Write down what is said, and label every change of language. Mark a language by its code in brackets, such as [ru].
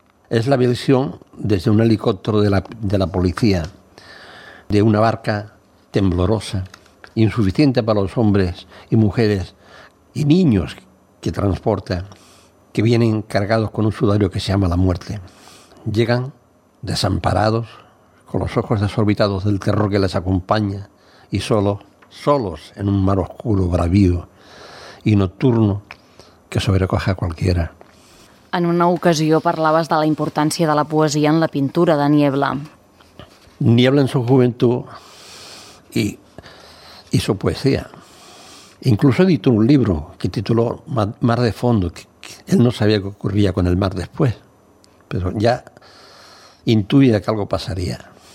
[es] Es la visión desde un helicóptero de la policía de una barca temblorosa, insuficiente para los hombres y mujeres y niños que transporta, que vienen cargados con un sudario que se llama la muerte. Llegan desamparados, con los ojos desorbitados del terror que les acompaña, y solos en un mar oscuro, bravío y nocturno que sobrecoge a cualquiera. [ca] En una ocasió parlaves de la importància de la poesia en la pintura de Niebla. [es] Niebla en su juventud y su poesía. Incluso editó un libro que tituló Mar de Fondo, que él no sabía qué ocurría con el mar después, pero ya intuía que algo pasaría.